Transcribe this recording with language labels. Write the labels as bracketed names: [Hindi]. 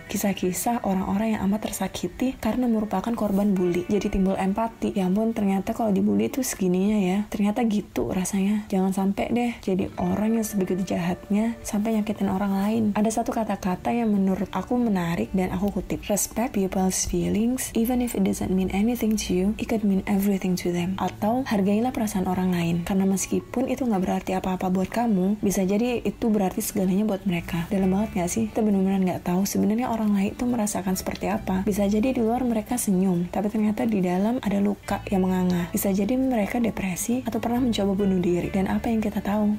[Indonesian] Kisah-kisah orang-orang yang amat tersakiti karena merupakan korban bully. Jadi timbul empati. Ya ampun, ternyata kalau dibully tuh segininya ya. Ternyata gitu rasanya. Jangan sampai deh jadi orang yang sebegitu jahatnya sampai nyakitin orang lain. Ada satu kata-kata yang menurut aku menarik dan aku kutip. [English] Respect people's feelings, even if it doesn't mean anything to you, it could mean everything to them. [Indonesian] Atau hargailah perasaan orang lain, karena meskipun itu gak berarti apa-apa buat kamu, bisa jadi itu berarti segalanya buat mereka. Dalam banget gak sih? Kita benar-benar gak tahu sebenarnya orang lain itu merasakan seperti apa. Bisa jadi di luar mereka senyum, tapi ternyata di dalam ada luka yang menganga. Bisa jadi mereka depresi atau pernah mencoba bunuh diri. Dan apa yang kita tahu?